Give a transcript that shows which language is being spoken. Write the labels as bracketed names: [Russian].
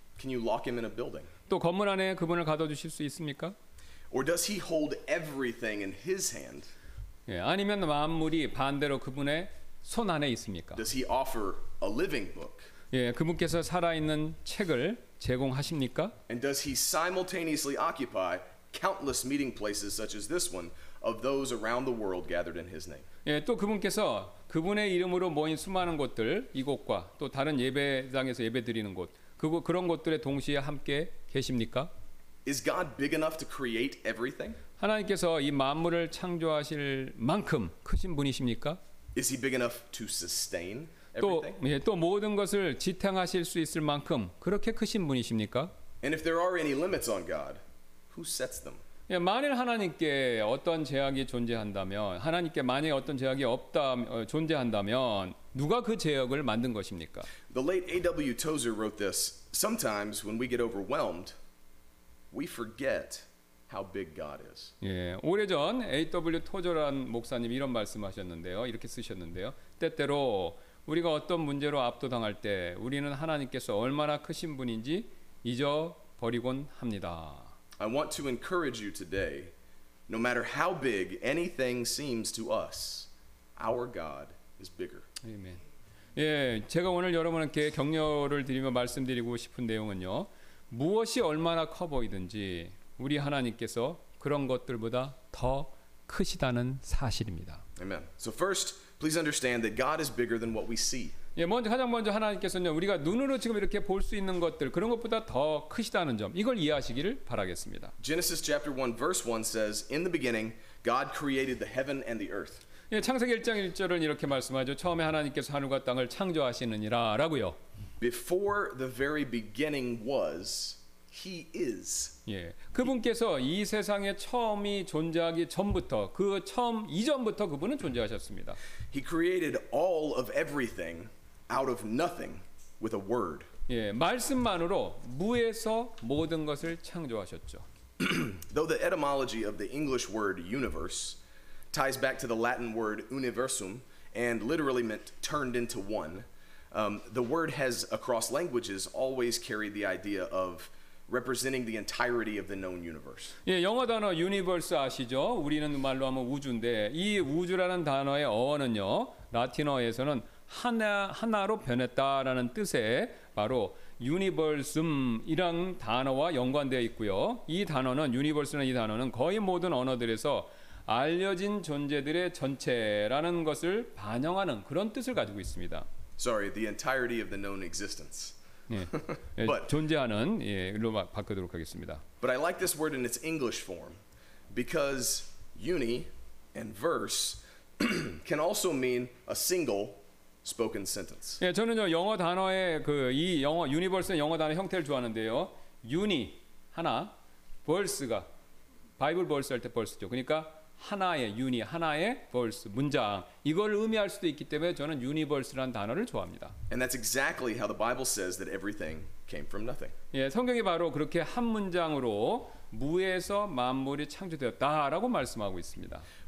[English] Can you lock him in a building? [Korean] 또 건물 안에 그분을 가둬 두실 수 있습니까? [English] Or does he hold everything in his hand? [Korean] 예, 아니면 만물이 반대로 그분의 손 안에 있습니까? [English] Does he offer a living book? [Korean] 예, 그분께서 살아 있는 책을 제공하십니까? [English] And does he simultaneously occupy countless meeting places such as this one of those around the world gathered in his name? [Korean] 예, 또 그분께서 그분의 이름으로 모인 수많은 곳들 이곳과 또 다른 예배당에서 예배드리는 곳 그런 곳들에 동시에 함께 계십니까? [English] Is God big enough to create everything? [Korean] 하나님께서 이 만물을 창조하실 만큼 크신 분이십니까? [English] Is he big enough to sustain everything? [Korean] 또 모든 것을 지탱하실 수 있을 만큼 그렇게 크신 분이십니까? [English] And if there are any limits on God, who sets them? [Korean] 예, 만일 하나님께 어떤 제약이 존재한다면, 하나님께 만약에 어떤 제약이 없다 존재한다면 누가 그 제약을 만든 것입니까? [English] The late A.W. Tozer wrote this. Sometimes when we get overwhelmed, we forget how big God is. [Korean] 예, 오래전 A.W. 토저란 목사님 이런 말씀하셨는데요. 이렇게 쓰셨는데요. 때때로 우리가 어떤 문제로 압도당할 때 우리는 하나님께서 얼마나 크신 분인지 잊어버리곤 합니다. [English] I want to encourage you today, no matter how big anything seems to us, our God is bigger. Amen. [Korean] 예, 제가 오늘 여러분께 격려를 드리며 말씀드리고 싶은 내용은요. 무엇이 얼마나 커 보이든지 우리 하나님께서 그런 것들보다 더 크시다는 사실입니다. [English] Amen. So first, please understand that God is bigger than what we see. [Korean] 예, 먼저 가장 먼저 하나님께서는요, 우리가 눈으로 지금 이렇게 볼 수 있는 것들 그런 것보다 더 크시다는 점 이걸 이해하시기를 바라겠습니다. [English] Genesis chapter 1 verse 1 says, "In the beginning, God created the heaven and the earth." [Korean] 예, 창세기 1장 1절은 이렇게 말씀하죠. 처음에 하나님께서 하늘과 땅을 창조하시느니라라고요. [English] Before the very beginning was, He is. [Korean] 예, 그분께서 이 세상에 처음이 존재하기 전부터 그 처음 이전부터 그분은 존재하셨습니다. [English] He created all of everything out of nothing with a word. [Korean] 예, 말씀만으로 무에서 모든 것을 창조하셨죠. [English] Though the etymology of the English word universe ties back to the Latin word universum and literally meant turned into one, the word has across languages always carried the idea of representing the entirety of the known universe. [Korean] 예, 영어 단어 universe 아시죠? 우리는 말로 하면 우주인데 이 우주라는 단어의 어원은요, 라틴어에서는 하나로 변했다라는 뜻에 바로 universum이란 단어와 연관되어 있고요. 이 단어는 universe는 이 단어는 거의 모든 언어들에서 알려진 존재들의 전체라는 것을 반영하는 그런 뜻을 가지고 있습니다. [English] Sorry, the entirety of the known existence. [Korean] 예, 예, 존재하는 예로 바꾸도록 하겠습니다. [English] But I like this word in its English form because uni and verse can also mean a single spoken sentence. [Korean] 예, 저는요 영어 단어의 그 이 영어 universe의 영어 단어 형태를 좋아하는데요. uni 하나, verse가 Bible verse 할 때 verse죠. 그러니까 하나의 uni 하나의 verse 문장 이걸 의미할 수도 있기 때문에 저는 universe라는 단어를 좋아합니다. [English] And that's exactly how the Bible says that everything came from nothing. [Korean] 예, 성경이 바로 그렇게 한 문장으로 무에서 만물이 창조되었다라고 말씀하고 있습니다.